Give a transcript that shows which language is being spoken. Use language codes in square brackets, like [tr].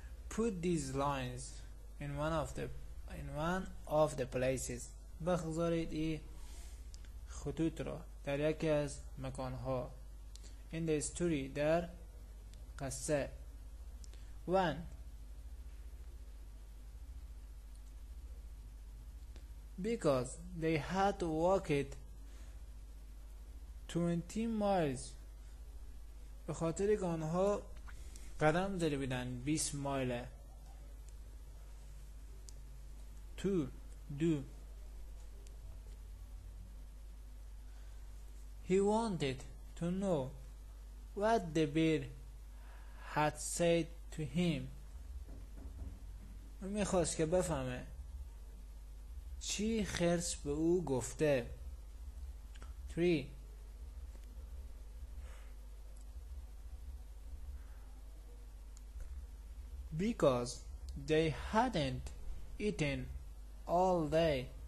[en] Put these lines in one of the places. [fa] بخذارید این خطوط را در یکی از مکانها. [en] In the story, [fa] در قصه. [en] 1. Because they had to walk it 20 miles. [fa] به خاطر که آنها قدم زده بودند 20 مایل. 2. [en] He wanted to know what the bear had said to him. [fa] او میخواست که بفهمه چی خرس به او گفته. [en] 3. Because they hadn't eaten all day.